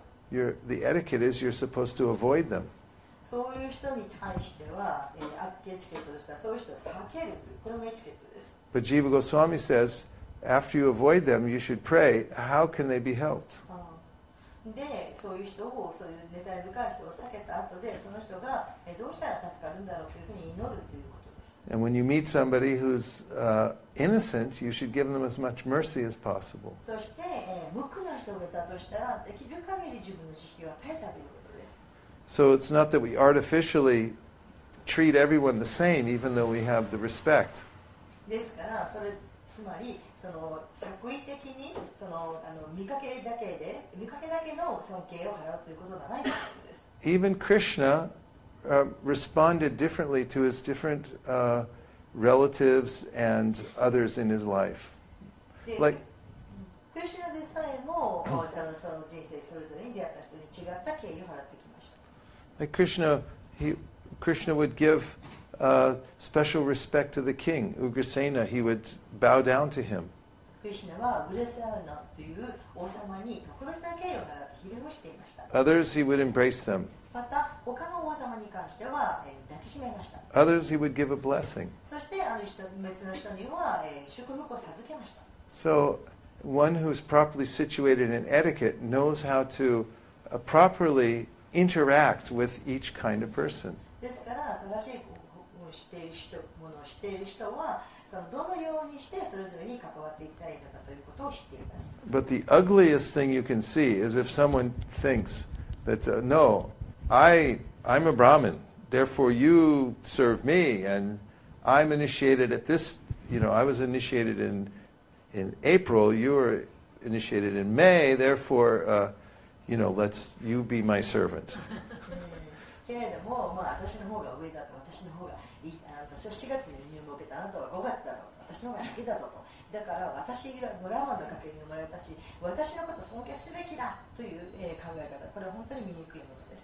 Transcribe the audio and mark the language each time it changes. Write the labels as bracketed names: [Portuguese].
[English] The etiquette is you're supposed to avoid them. [Japanese] そういう人に対しては、アクエチケットとしてはそういう人を避けるという、これもエチケットです。 [English] But Jiva Goswami says, after you avoid them, you should pray, how can they be helped? [Japanese] で、そういう人を、そういう妬み深い人を避けた後で、その人が、どうしたら助かるんだろうというふうに祈るということです。 [English] And when you meet somebody who's innocent, you should give them as much mercy as possible. [Japanese] そして、無垢な人がいたとしたら、できる限り自分の慈悲を与えたということです。 [English] So it's not that we artificially treat everyone the same, even though we have the respect. [Japanese] ですから、それつまり、その作為的に、見かけだけの尊敬を払うということがないということです。 [English] Even Krishna,responded differently to his different relatives and others in his life. [Japanese] Like, Krishna でさえも、その人生それぞれに出会った人に違った敬意を払ってきました。 [English] Like Krishna, Krishna would give special respect to the king, Ugrasena. He would bow down to him. [Japanese] Krishna はウグラセーナという王様に特別な敬意を払って披露していました。 [English] Others, he would embrace them. [Japanese] また他の王様に関しては、抱きしめました。 [English] Others he would give a blessing. [Japanese] そしてある人別の人には、祝福を授けました。 [English] So one who's properly situated in etiquette knows how to properly interact with each kind of person. [Japanese] ですから正しいものをしている人はそのどのようにしてそれぞれに関わっていったらいいのかということを知っています。 [English] But the ugliest thing you can see is if someone thinks that no. I'm a Brahmin, therefore you serve me, and I'm initiated at this, you know, I was initiated in April, you were initiated in May, therefore, you know, let's, you be my servant. [Japanese] けれども、まあ、私の方が上だと、私の方がいい、私は4月に入門を受けた、あなたは5月だと、私の方が先だぞと、だから私がブラーマンの家系に生まれたし、私のことを尊敬すべきだという、考え方、これは本当に醜いもの。